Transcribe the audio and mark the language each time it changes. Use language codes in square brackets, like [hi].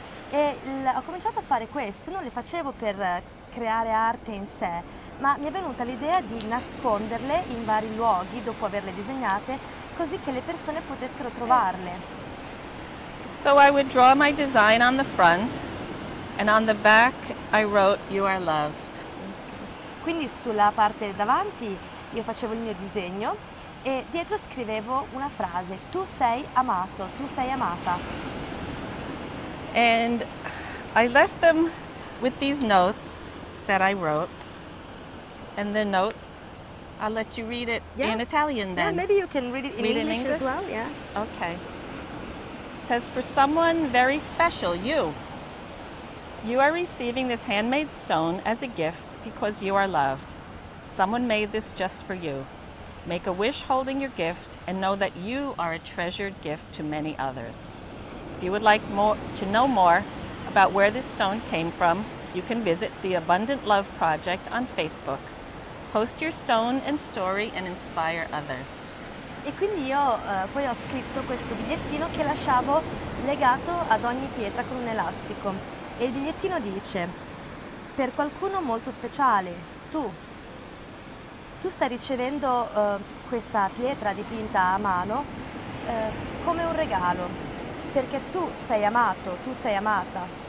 [it] E ho cominciato a fare questo, non le facevo per creare arte in sé, ma mi è venuta l'idea di nasconderle in vari luoghi dopo averle disegnate, così che le persone potessero trovarle. [en] So I would draw my design on the front, and on the back I wrote, "You are loved." [it] Quindi sulla parte davanti io facevo il mio disegno e dietro scrivevo una frase, tu sei amato, tu sei amata. [en] And I left them with these notes that I wrote, and the note I'll let you read it in Italian then. Yeah, maybe you can read it in English as well, yeah. Okay. It says, for someone very special, you. You are receiving this handmade stone as a gift because you are loved. Someone made this just for you. Make a wish holding your gift and know that you are a treasured gift to many others. If you would like to know more about where this stone came from, you can visit the Abundant Love Project on Facebook. Post your stone and story and inspire others. [it] E quindi io poi ho scritto questo bigliettino che lasciavo legato ad ogni pietra con un elastico. E il bigliettino dice, per qualcuno molto speciale, tu. Tu stai ricevendo questa pietra dipinta a mano come un regalo, perché tu sei amato, tu sei amata.